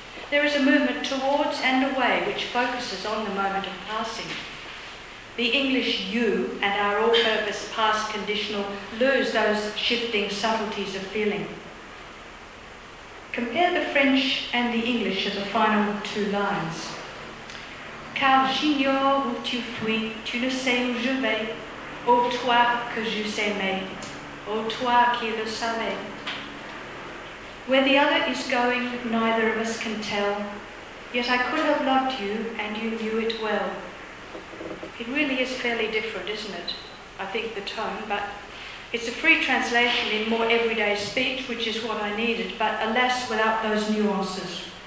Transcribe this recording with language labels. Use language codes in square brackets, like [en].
[en] There is a movement towards and away which focuses on the moment of passing. The English you and our all-purpose past conditional lose those shifting subtleties of feeling. Compare the French and the English of the final two lines. [fr] Car j'ignore où tu fuis, tu ne sais où je vais. Ô toi que j'eusse aimé, ô toi qui le savais. [en] Where the other is going, neither of us can tell. Yet I could have loved you, and you knew it well. It really is fairly different, isn't it? I think the tone, but it's a free translation in more everyday speech, which is what I needed, but alas, without those nuances.